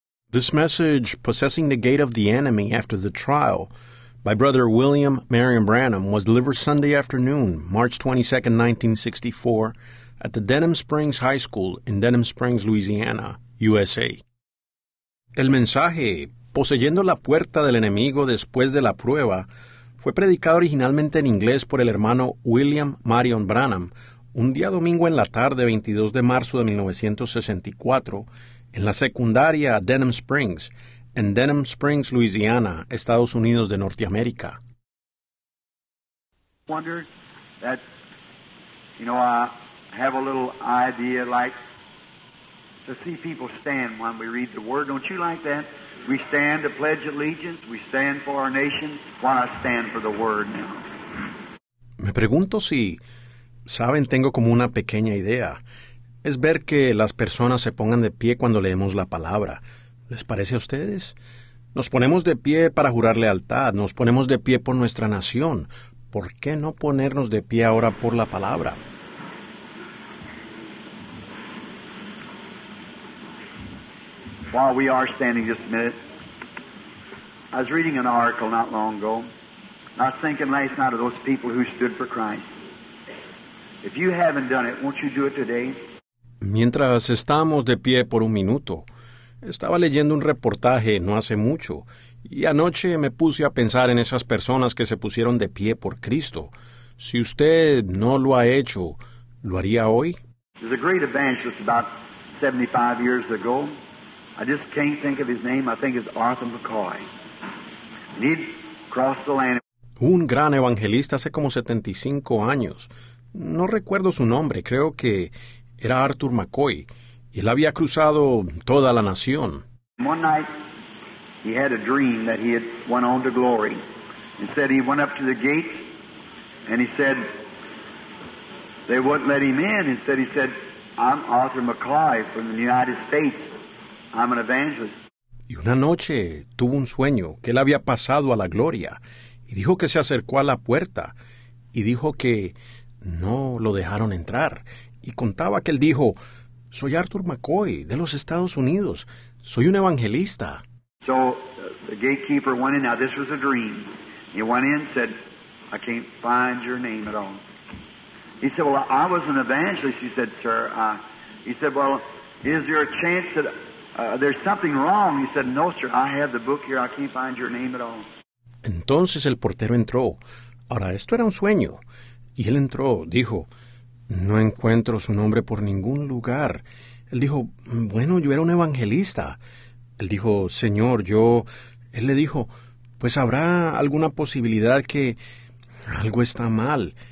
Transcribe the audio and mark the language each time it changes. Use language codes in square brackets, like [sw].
[en] This message, Possessing the Gate of the Enemy After the Trial, by Brother William Marion Branham, was delivered Sunday afternoon, March 22, 1964, at the Denham Springs High School in Denham Springs, Louisiana, USA. [es] El mensaje, Poseyendo la Puerta del Enemigo Después de la Prueba, fue predicado originalmente en inglés por el hermano William Marion Branham, un día domingo en la tarde, 22 de marzo de 1964, en la secundaria Denham Springs, en Denham Springs, Louisiana, Estados Unidos de Norteamérica. [en] Wondered that, you know, I have a little idea like to see people stand when we read the word. Don't you like that? We stand to pledge allegiance. We stand for our nation. Why not stand for the word now? [es] Me pregunto si, saben, tengo como una pequeña idea. Es ver que las personas se pongan de pie cuando leemos la palabra. ¿Les parece a ustedes? Nos ponemos de pie para jurar lealtad. Nos ponemos de pie por nuestra nación. ¿Por qué no ponernos de pie ahora por la palabra? [en] While we are standing just a minute, I was reading an article not long ago. I was thinking last night of those people who stood for Christ. If you haven't done it, won't you do it today? [es] Mientras estábamos de pie por un minuto, estaba leyendo un reportaje no hace mucho, y anoche me puse a pensar en esas personas que se pusieron de pie por Cristo. Si usted no lo ha hecho, ¿lo haría hoy? [en] There's a great evangelist about 75 years ago. I just can't think of his name. I think it's Arthur McCoy. He'd crossed the land. [es] Un gran evangelista hace como 75 años. No recuerdo su nombre. Creo que era Arthur McCoy, y él había cruzado toda la nación. [en] One night, he had a dream that he had went on to glory. He said he went up to the gate, and he said, they wouldn't let him in. He said, I'm Arthur McCoy from the United States. I'm an evangelist. [es] Y una noche, tuvo un sueño que él había pasado a la gloria, y dijo que se acercó a la puerta, y dijo que no lo dejaron entrar. Y contaba que él dijo, soy Arthur McCoy, de los Estados Unidos. Soy un evangelista. [en] So, the gatekeeper went in. Now, this was a dream. He went in and said, I can't find your name at all. He said, well, I was an evangelist. He said, sir. He said, well, is there a chance that there's something wrong? He said, no, sir, I have the book here. I can't find your name at all. [es] Entonces el portero entró. Ahora, esto era un sueño. Y él entró, dijo, no encuentro su nombre por ningún lugar. Él dijo, bueno, yo era un evangelista. Él dijo, señor, yo... Él le dijo, pues habrá alguna posibilidad que algo está mal.